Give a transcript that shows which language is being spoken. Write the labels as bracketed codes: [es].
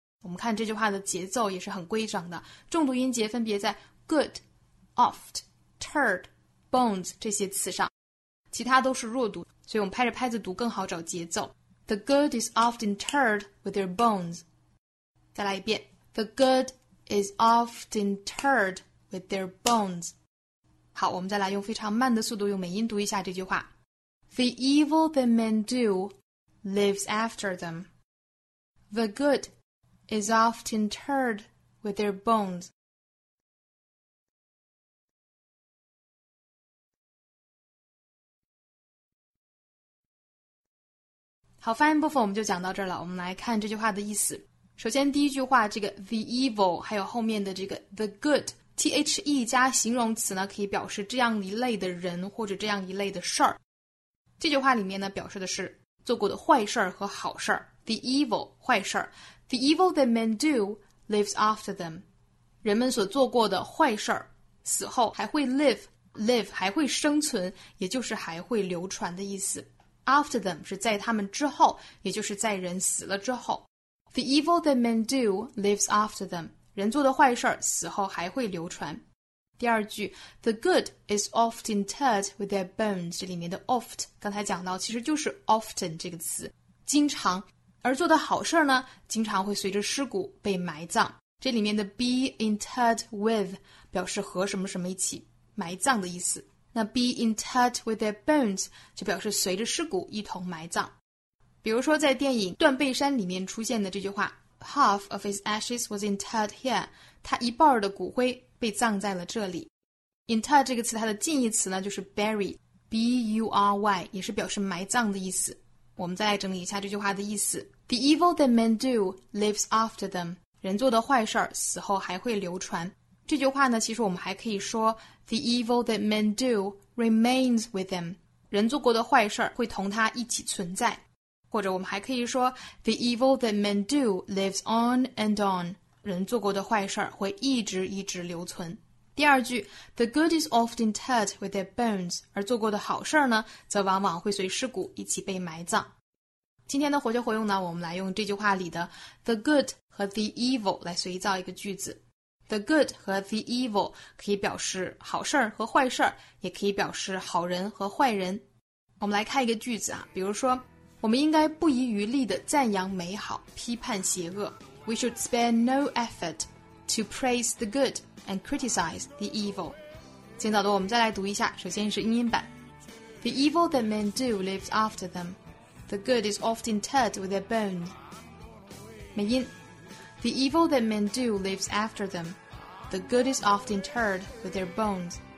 [zh] 我们看这句话的节奏也是很规整的，重读音节分别在 good, oft, turred, bones 这些词上，其他都是弱读，所以我们拍着拍子读更好找节奏。 [en] The good is oft interred with their bones. [zh] 再来一遍。 [en] The good is oft interred with their bones. [zh] 好，我们再来用非常慢的速度用美音读一下这句话。 [en] The evil that men do lives after them. The good is oft interred with their bones. [zh] 好，发音部分我们就讲到这儿了。我们来看这句话的意思。首先第一句话，这个 the evil 还有后面的这个 the good， THE 加形容词呢，可以表示这样一类的人或者这样一类的事儿。这句话里面呢，表示的是做过的坏事儿和好事儿。 The evil 坏事儿， [en] The evil that men do lives after them， [zh] 人们所做过的坏事儿死后还会 live， live 还会生存，也就是还会流传的意思。 After them 是在他们之后，也就是在人死了之后。 [en] The evil that men do lives after them. [zh] 人做的坏事死后还会流传。第二句 [en] The good is oft interred with their bones. [zh] 这里面的 oft 刚才讲到其实就是 often 这个词，经常。而做的好事呢，经常会随着尸骨被埋葬。这里面的 be interred with 表示和什么什么一起埋葬的意思。 [en] 那 be interred with their bones [zh] 就表示随着尸骨一同埋葬。比如说在电影《断背山》里面出现的这句话 [en] Half of his ashes was interred here， [zh] 他一半的骨灰被葬在了这里。 Interred 这个词它的近义词呢就是 bury， B-U-R-Y， 也是表示埋葬的意思。我们再来整理一下这句话的意思。 The evil that men do lives after them，人做的坏事死后还会流传。这句话呢，其实我们还可以说 [en] The evil that men do remains with them， [zh] 人做过的坏事会同他一起存在。或者我们还可以说 [en] The evil that men do lives on and on， [zh] 人做过的坏事会一直一直留存。第二句 [en] The good is oft interred with their bones， [zh] 而做过的好事呢，则往往会随尸骨一起被埋葬。今天的活学活用呢，我们来用这句话里的 The good 和 The evil 来随意造一个句子。 The good 和 the evil 可以表示好事和坏事，也可以表示好人和坏人。我们来看一个句子啊，比如说，我们应该不遗余力地赞扬美好，批判邪恶。 [en] We should spare no effort to praise the good and criticize the evil. [zh] 今早的我们再来读一下，首先是英音版。 [en] The evil that men do lives after them. The good is oft interred with their bones. [zh] 美音。 [en] The evil that men do lives after them. The good is oft interred with their bones.